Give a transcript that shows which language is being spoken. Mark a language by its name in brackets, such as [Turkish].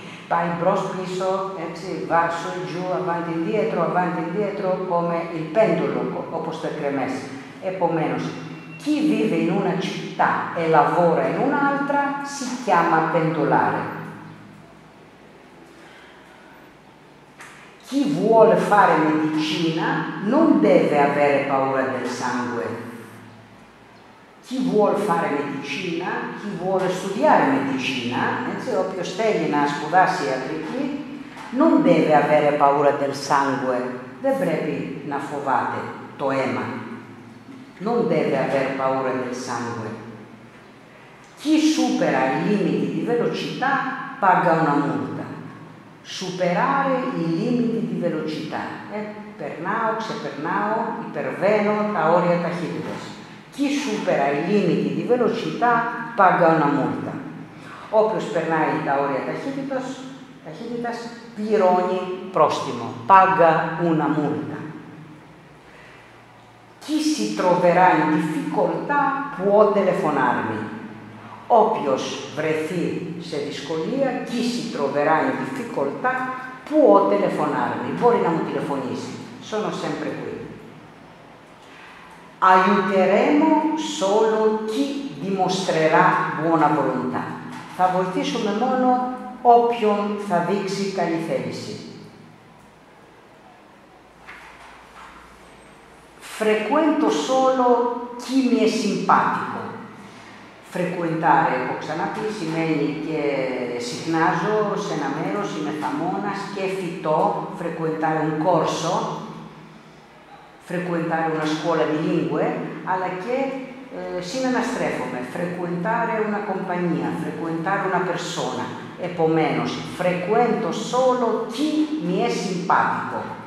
[Greek] Πάει μπρος-πίσω, έτσι, [Italian] βάσο, γιου, avanti indietro, avanti indietro, come il pendolo, [Greek] όπως το εκρεμές. [Italian] Επομένως, «chi vive in una città e lavora in un'altra si chiama pendolare». «Chi vuole fare medicina non deve avere paura del sangue». «Chi vuole fare medicina, chi vuole studiare medicina, cioè, [Greek] όποιο θέλει να σπουδάσει ιατρική, [Italian] non deve avere paura del sangue». [Greek] Δεν πρέπει να φοβάται το αίμα. [Italian] Non deve aver paura del sangue. Chi supera i limiti di velocità paga una multa. Superare i limiti di velocità. [Greek] Περνάω, ξεπερνάω, υπερβαίνω τα όρια ταχύτητας. [Italian] Chi supera i limiti di velocità paga una multa. [Greek] Όποιος περνάει τα όρια ταχύτητας πληρώνει πρόστιμο. [Italian] Paga una multa. «Chi si troverà in difficoltà può telefonarmi». [Greek] Όποιος βρεθεί σε δυσκολία, [Italian] «chi si troverà in difficoltà può telefonarmi». [Greek] Μπορεί να μου τηλεφωνήσει. [Italian] Sono sempre qui. «Aiuteremo solo chi dimostrerà buona volontà». [Greek] Θα βοηθήσουμε μόνο όποιον θα δείξει καλή θέληση. [Italian] «Frequento solo chi mi è simpatico». [Greek] Frequentare, έχω ξαναπεί, σημαίνει και συχνάζω σε ένα μέρος, είμαι θαμώνας και φυτό. [Italian] Frequentare un corso, frequentare una scuola di lingue, [Greek] αλλά και συναναστρέφομαι. [Italian] Frequentare una compagnia, frequentare una persona. Επομένως, «frequento solo chi mi è simpatico».